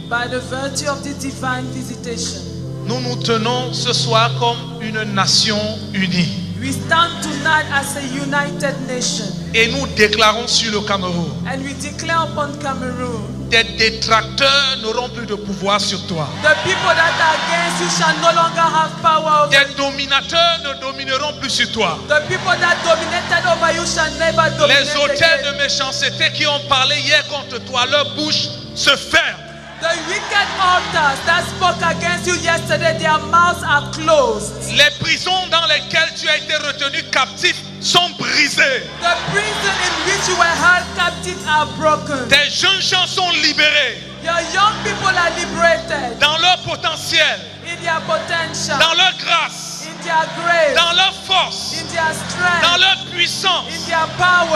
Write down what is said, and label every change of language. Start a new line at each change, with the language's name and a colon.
English: by the virtue of the divine visitation,
French: nous nous tenons ce soir comme une nation unie.
English: We stand tonight as a united nation.
French: Et nous déclarons sur le Cameroun.
English: And we declare upon Cameroon.
French: Tes détracteurs n'auront plus de pouvoir sur toi.
English: The people that are against you shall no longer have power over
French: tes dominateurs ne domineront plus sur toi.
English: The people that dominated over you shall never dominate.
French: Les auteurs de méchanceté qui ont parlé hier contre toi, leur bouche se ferme.
English: The wicked altars that spoke against you yesterday, their mouths are closed.
French: Les prisons dans lesquelles tu as été retenu captif sont brisées.
English: The prison in which you were held captive are broken.
French: Tes jeunes gens sont libérés.
English: Your young people are liberated.
French: Dans leur potentiel.
English: In their potential.
French: Dans leur grâce.
English: In their grace.
French: Dans leur force.
English: In their strength.
French: Dans leur puissance.
English: In their power.